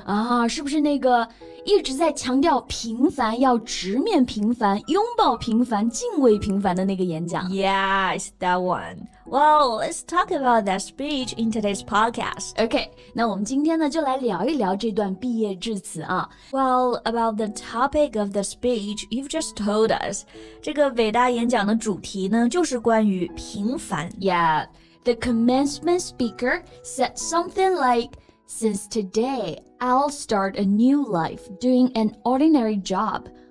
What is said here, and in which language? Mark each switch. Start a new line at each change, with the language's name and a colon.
Chinese: 啊，是不是那个一直在强调平凡要直面平凡，拥抱平凡，敬畏平凡的那个演讲
English: ？Yeah, it's that one. Well, let's talk about that speech in today's podcast.
Chinese: Okay, 那我们今天呢就来聊一聊这段毕业致辞啊。
English: Well, about the topic of the speech you've just told us,
Chinese: 这个伟大演讲的主题呢就是关于平凡
English: Yeah, the commencement speaker said something like, Since today, I'll start a new life doing an ordinary job.